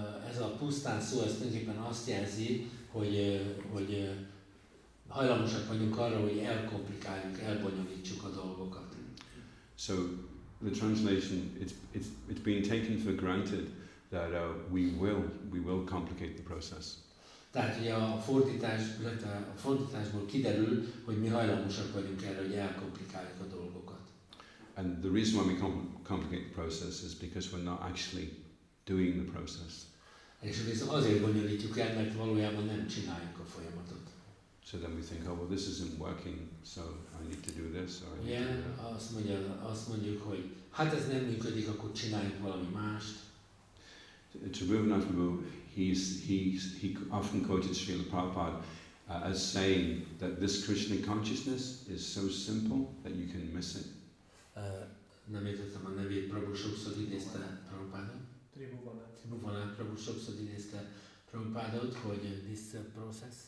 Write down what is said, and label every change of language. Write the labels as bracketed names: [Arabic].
[Hungarian] Ez a pusztán szó, ez tulajdonképpen azt jelzi, hogy hajlamosak vagyunk arra, hogy elkomplikáljuk, elbonyolítsuk a dolgokat. [English] So the translation, it's been taken for granted that we will complicate the process. [Hungarian] Tehát ugye a fordításból kiderül, hogy mi hajlamosak vagyunk erre, hogy elkomplikáljuk a dolgokat. [English] And the reason why we complicate the process is because we're not actually doing the process. És azért bonyolítjuk el, mert valójában nem csináljuk a folyamatot. So then we think, oh well, this isn't working, so I need to do this, or I need to do that. [Hungarian] Azt mondjuk, hogy hát ez nem működik, akkor csináljuk valami mást. [English] To Rupanath Prabhu, he often quoted Srila Prabhupada as saying that this Krishna consciousness is so simple that you can miss it. [Hungarian] Nem értettem a nevét, Prabhu sokszor idézte Prabhupádot. Tribhuvanát Prabhu sokszor idézte Prabhupádot, hogy [English] this process